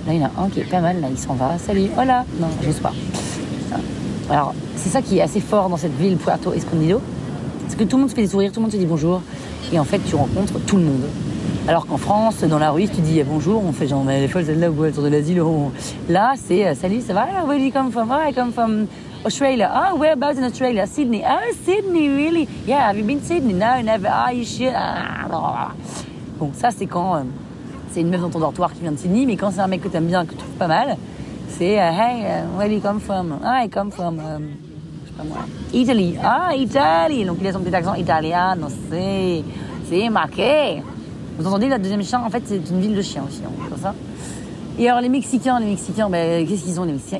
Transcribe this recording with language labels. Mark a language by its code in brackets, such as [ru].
[fr] Là, il y en a un qui est pas mal, là, il s'en va. Salut, voilà. Non, j'ose pas. Alors, c'est ça qui est assez fort dans cette ville Puerto Escondido. C'est que tout le monde se fait des sourires, tout le monde se dit bonjour. Et en fait, tu rencontres tout le monde. Alors qu'en France, dans la rue, si tu dis bonjour, on fait genre, mais des fois, celle-là, ou autour de l'asile, on... là, c'est salut, ça va? [en] Where do you come from? Oh, I come from Australia. Oh, whereabouts in Australia? Sydney. Oh, Sydney, really? Yeah, have you been to Sydney? No, never. Oh, you should. [fr] Ah, bon, ça, c'est quand c'est une meuf dans ton dortoir qui vient de Sydney, mais quand c'est un mec que t'aimes bien, que tu trouves pas mal, c'est [en] hey, where do you come from? I come from, [fr] je sais pas moi, [en] Italy. Ah, Italy. [fr] Donc il a son petit accent italien, c'est marqué. Vous entendez, la deuxième chien, en fait, c'est une ville de chiens aussi, hein, comme ça. Et alors, les Mexicains, ben, qu'est-ce qu'ils ont, les Mexicains?